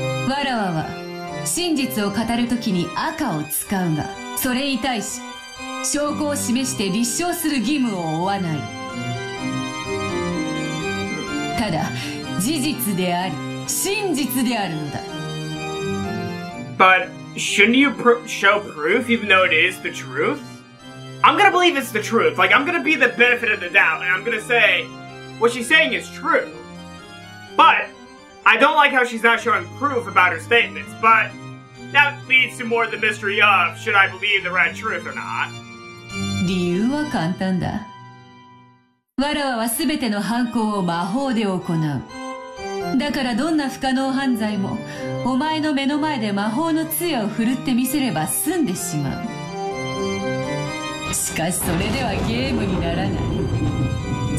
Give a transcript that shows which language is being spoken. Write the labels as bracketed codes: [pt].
[ja] わらわは真実を語るときに赤を使うが、それに対し証拠を示して立証する義務を負わない。ただ事実であり真実であるのだ。 [en] But shouldn't you show proof even though it is the truth? I'm gonna believe it's the truth. Like, I'm gonna be the benefit of the doubt and I'm gonna say what she's saying is true. But I don't like how she's not showing proof about her statements, but that leads to more the mystery of should I believe the red truth or not. [ja] 理由は簡単だ。わらわは全ての犯行を魔法で行う。だからどんな不可能犯罪もお前の目の前で魔法の杖を振るってみせれば済んでしまう。しかしそれではゲームにならない。